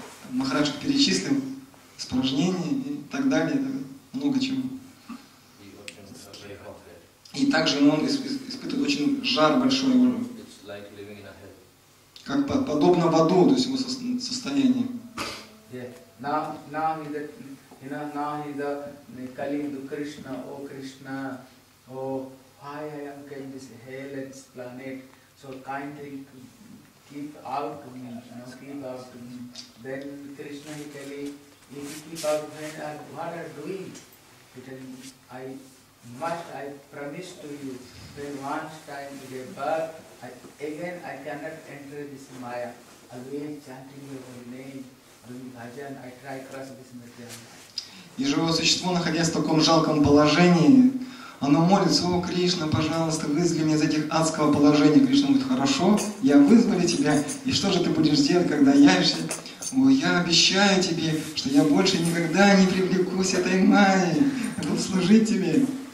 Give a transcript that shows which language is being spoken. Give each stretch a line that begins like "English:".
Russian: Махарадж перечислил испражнения и так далее, много чего. И также он испытывает очень жар большой. Как подобно в аду, то есть его состояние.
English: You know, now he is the Kalindu Krishna, oh Krishna, oh, why I am getting this hell and this planet, so kindly keep out to me, you know, keep out to me. Then Krishna, he tell me, if you keep out to me, what are you doing? He tell me, I promise to you, when once time you get birth, I cannot enter this Maya. Again, chanting your own name, doing bhajan, I try cross this material.
Russian: И живое существо, находясь в таком жалком положении, оно молится, о, Кришна, пожалуйста, вызволи меня из этих адского положения. Кришна говорит, хорошо, я вызволю тебя, и что же ты будешь делать, когда явишься? О, я обещаю тебе, что я больше никогда не привлекусь этой майи, буду служить тебе.